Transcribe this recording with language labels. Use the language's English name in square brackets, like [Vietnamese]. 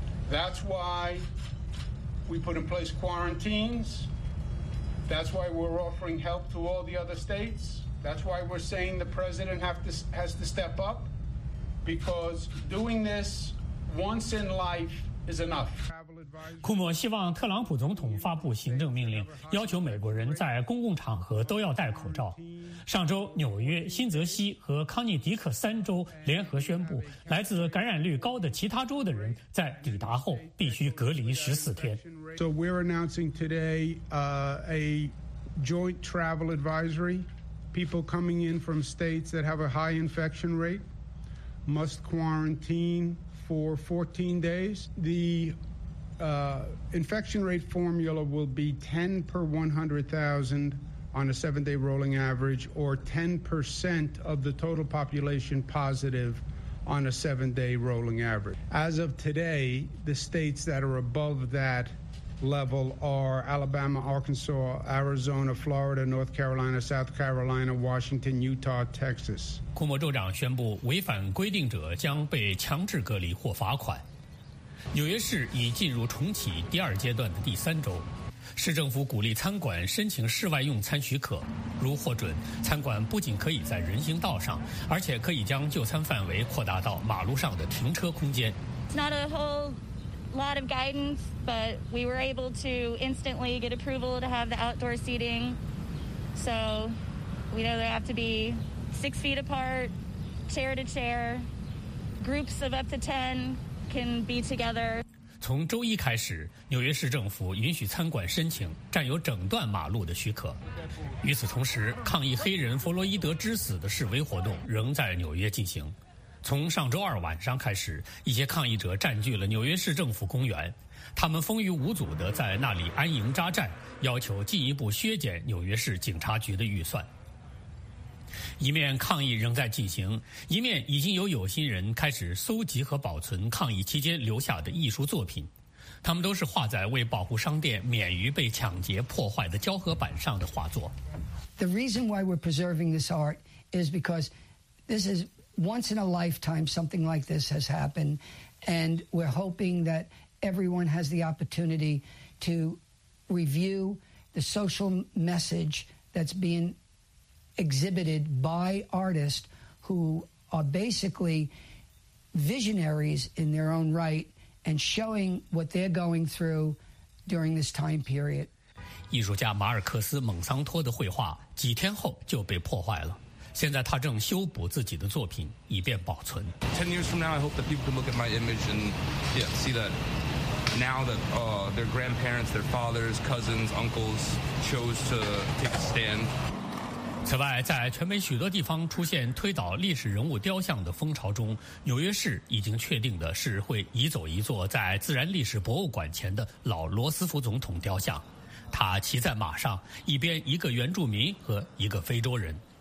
[English] That's why we put in place quarantines. That's why we're offering help to all the other states. That's why we're saying the president has to step up, because doing this once in life is enough. [Chinese] 库莫希望特朗普总统发布行政命令，要求美国人在公共场合都要戴口罩。上周，纽约、新泽西和康涅狄克3州联合宣布，来自感染率高的其他州的人在抵达后必须隔离14天。 [English] So we're announcing today, a joint travel advisory. People coming in from states that have a high infection rate must quarantine for 14 days. The infection rate formula will be 10 per 100,000. On a 7-day rolling average, or 10% of the total population positive on a 7-day rolling average. As of today, the states that are above that level are Alabama, Arkansas, Arizona, Florida, North Carolina, South Carolina, Washington, Utah, Texas. [Chinese] 库莫州长宣布，违反规定者将被强制隔离或罚款。纽约市已进入重启第二阶段的第三周。市政府鼓励餐馆申请室外用餐许可，如获准，餐馆不仅可以在人行道上，而且可以将就餐范围扩大到马路上的停车空间。 [English] It's not a whole lot of guidance, but we were able to instantly get approval to have the outdoor seating. So we know they have to be 6 feet apart, chair to chair. Groups of up to 10 can be together. [Chinese] 从周一开始，纽约市政府允许餐馆申请占有整段马路的许可。与此同时，抗议黑人弗洛伊德之死的示威活动仍在纽约进行。从上周二晚上开始，一些抗议者占据了纽约市政府公园，他们风雨无阻地在那里安营扎寨，要求进一步削减纽约市警察局的预算。一面抗议仍在进行，一面已经有心人开始搜集和保存抗议期间留下的艺术作品，他们都是画在为保护商店免于被抢劫破坏的胶合板上的画作。 [English] The reason why we're preserving this art is because this is once in a lifetime something like this has happened, and we're hoping that everyone has the opportunity to review the social message that's beingexhibited by artists who are basically visionaries in their own right and showing what they're going through during this time period. [Chinese] 艺术家马尔克斯·蒙桑托的绘画几天后就被破坏了，现在他正修补自己的作品以便保存。 [English] 10 years from now, I hope that people can look at my image and yeah, see that now that their grandparents, their fathers, cousins, uncles chose to take a stand. [Chinese] 此外，在全美许多地方出现推倒历史人物雕像的风潮中，纽约市已经确定的是会移走一座在自然历史博物馆前的老罗斯福总统雕像，他骑在马上，一边一个原住民和一个非洲人。